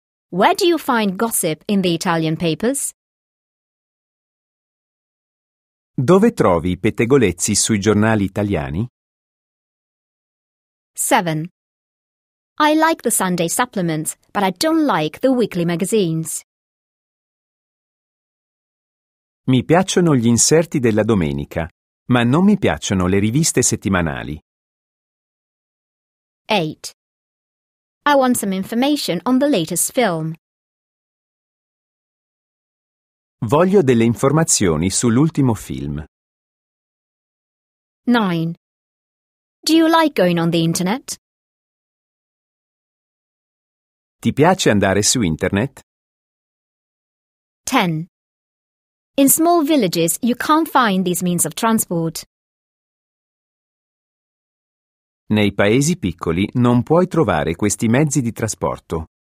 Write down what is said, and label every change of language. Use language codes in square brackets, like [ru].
[en] Where do you find gossip in the Italian papers? [it] Dove trovi i pettegolezzi sui giornali italiani? [en] 7. I like the Sunday supplements, but I don't like the weekly magazines. [it] Mi piacciono gli inserti della domenica, ma non mi piacciono le riviste settimanali. [en] 8. I want some information on the latest film. [it] Voglio delle informazioni sull'ultimo film. [en] 9. Do you like going on the internet? [it] Ti piace andare su internet? [en] 10. In small villages you can't find these means of transport. [it] Nei paesi piccoli non puoi trovare questi mezzi di trasporto.